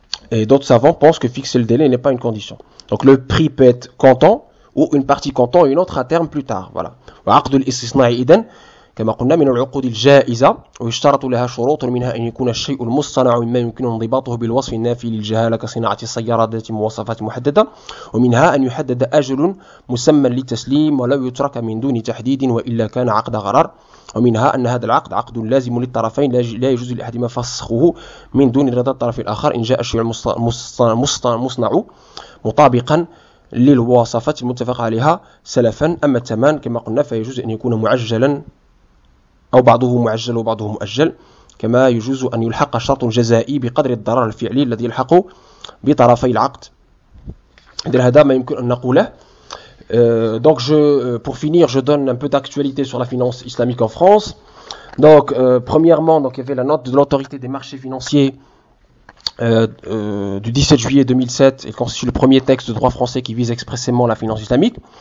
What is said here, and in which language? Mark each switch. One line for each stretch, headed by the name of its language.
French: Et d'autres savants pensent que fixer le délai n'est pas une condition. Donc le prix peut être comptant ou une partie comptant et une autre à terme plus tard. Voilà.
Arabic: وعقد الاستثناء إذن كما قلنا من العقود الجائزة ويشترط لها شروط منها أن يكون الشيء المصنع مما يمكن انضباطه بالوصف النافي للجهالة كصناعة السيارات ذات مواصفات محددة ومنها أن يحدد أجل مسمى للتسليم ولو يترك من دون تحديد وإلا كان عقد غرار ومنها أن هذا العقد عقد لازم للطرفين لا يجوز لأحدهما فسخه من دون رضا الطرف الآخر إن جاء الشيء المصنع مطابقا للمواصفات المتفق عليها سلفا أما الثمن كما قلنا فيجوز أن يكون معجلا أو بعضه معجل وبعضه مؤجل كما يجوز أن يلحق شرط جزائي بقدر الضرر الفعلي الذي يلحق بطرفي العقد هذا ما يمكن أن نقوله.
French: Donc pour finir, je donne un peu d'actualité sur la finance islamique en France. Donc premièrement, donc il y avait la note de l'autorité des marchés financiers du 17 juillet 2007. Il constitue le premier texte de droit français qui vise expressément la finance islamique.